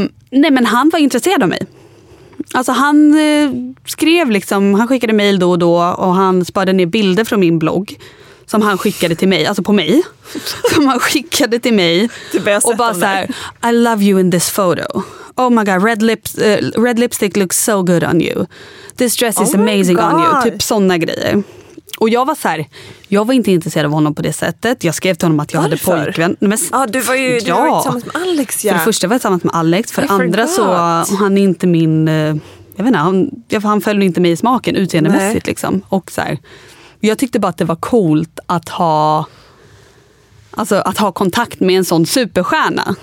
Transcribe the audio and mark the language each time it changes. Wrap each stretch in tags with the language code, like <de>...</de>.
<sv>Nej, men han var intresserad av mig. Alltså han skrev liksom, han skickade mejl då och då och han sparade ner bilder från min blogg som han skickade till mig, alltså på mig. Som han skickade till mig och bara så här,</sv> <en>I love you in this photo. Oh my god, red lipstick looks so good on you. This dress is amazing on you.</en> <sv>Typ såna grejer. Och jag var så här, jag var inte intresserad av honom på det sättet. Jag skrev till honom att jag Varför? Hade pojkvän. Men, du var ju du var tillsammans med Alex. Ja. För det första var jag tillsammans med Alex. För det andra så, han är inte min, jag vet inte, han följde inte mig i smaken utseendemässigt. Liksom. Och så här, jag tyckte bara att det var coolt att ha, alltså, att ha kontakt med en sån superstjärna.</sv>